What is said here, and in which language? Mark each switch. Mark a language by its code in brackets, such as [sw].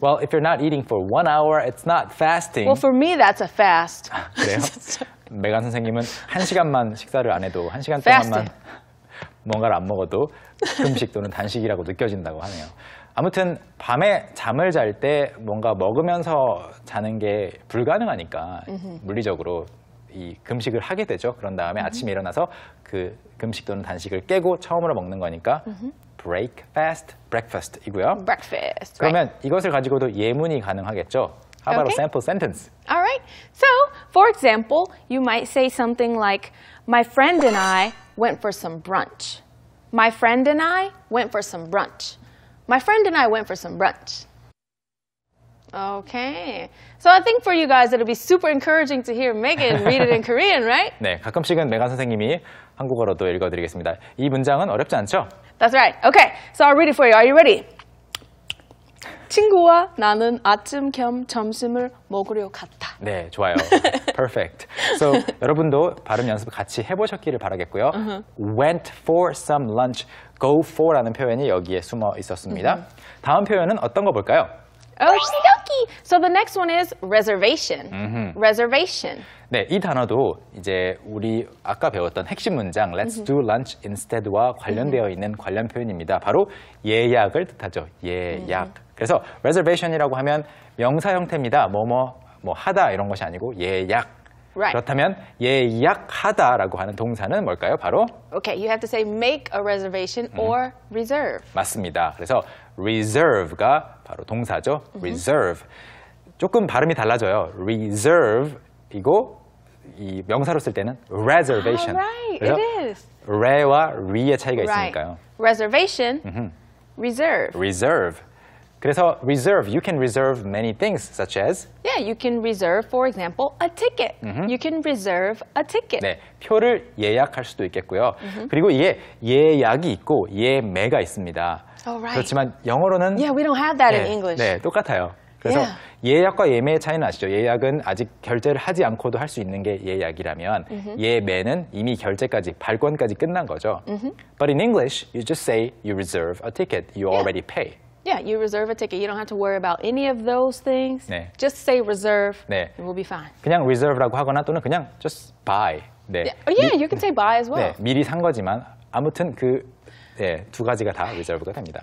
[en] Well, if you're not eating for 1 hour, it's not fasting. Well, for me that's a fast. [ko] 아, 그래요? 메간 선생님은 한 시간만 식사를 안 해도 한 시간 [en] fasting. [ko] 동안만 뭔가를 안 먹어도 금식 또는 단식이라고 느껴진다고 하네요. 아무튼 밤에 잠을 잘 때 뭔가 먹으면서 자는 게 불가능하니까 물리적으로 이 금식을 하게 되죠. 그런 다음에 아침에 일어나서 그 금식 또는 단식을 깨고 처음으로 먹는 거니까 breakfast, breakfast이고요. [en] Breakfast. [ko] 그러면 [en] right. [ko] 이것을 가지고도 예문이 가능하겠죠. [en] How about okay. a sample sentence? All right. So, for example, you might say something like, "My friend and I went for some brunch." My friend and I went for some brunch. My friend and I went for some brunch. Okay. So I think for you guys, it'll be super encouraging to hear Megan read it in Korean, right? [ko] 네, 가끔씩은 메간 선생님이 한국어로도 읽어드리겠습니다. 이 문장은 어렵지 않죠? [en] That's right. Okay. So I'll read it for you. Are you ready? [ko] 친구와 나는 아침 겸 점심을 먹으려 갔다. 네, 좋아요. Perfect. So 여러분도 발음 연습 같이 해보셨기를 바라겠고요. [en] Uh-huh. Went for some lunch. Go for라는 [ko] 표현이 여기에 숨어 있었습니다. [en] Uh-huh. [ko] 다음 표현은 어떤 거 볼까요? [en] Okey-dokey. So the next one is reservation. Uh-huh. Reservation. [ko] 네, 이 단어도 이제 우리 아까 배웠던 핵심 문장 [en] Let's uh-huh. do lunch instead [ko] 와 관련되어 uh-huh. 있는 관련 표현입니다. 바로 예약을 뜻하죠. 예약. Uh-huh. 그래서 reservation이라고 하면 명사 형태입니다. 뭐뭐 뭐 하다 이런 것이 아니고 예약. [en] Right. [ko] 그렇다면 예약하다라고 하는 동사는 뭘까요? 바로 [en] Okay, you have to say make a reservation or reserve. [ko] 맞습니다. 그래서 reserve가 바로 동사죠. Reserve. Mm-hmm. 조금 발음이 달라져요. Reserve이고 이 명사로 쓸 때는 reservation. [en] Oh, right. It is. [ko] re와 re의 차이가 있으니까요. [en] Right. Reservation. Mm-hmm. Reserve. Reserve. 그래서 reserve, you can reserve many things, such as? Yeah, you can reserve, for example, a ticket. Mm-hmm. You can reserve a ticket. [ko] 네, 표를 예약할 수도 있겠고요. [en] Mm-hmm. [ko] 그리고 이게 예약이 있고 예매가 있습니다. [en] Oh, right. [ko] 그렇지만 영어로는 [en] Yeah, we don't have that 네, in English. [ko] 네, 똑같아요. 그래서 yeah. 예약과 예매의 차이는 아시죠? 예약은 아직 결제를 하지 않고도 할 수 있는 게 예약이라면 mm-hmm. 예매는 이미 결제까지, 발권까지 끝난 거죠. [en] Mm-hmm. But in English, you just say you reserve a ticket, you yeah. already pay. Yeah, you reserve a ticket. You don't have to worry about any of those things. [ko] 네. [en] Just say reserve. 네. It will be fine. [ko] 그냥 reserve라고 하거나 또는 그냥 just buy. 네. [en] Yeah, yeah you can say buy as well. [ko] 네, 미리 산 거지만 아무튼 그 네, 두 가지가 다 reserve가 됩니다.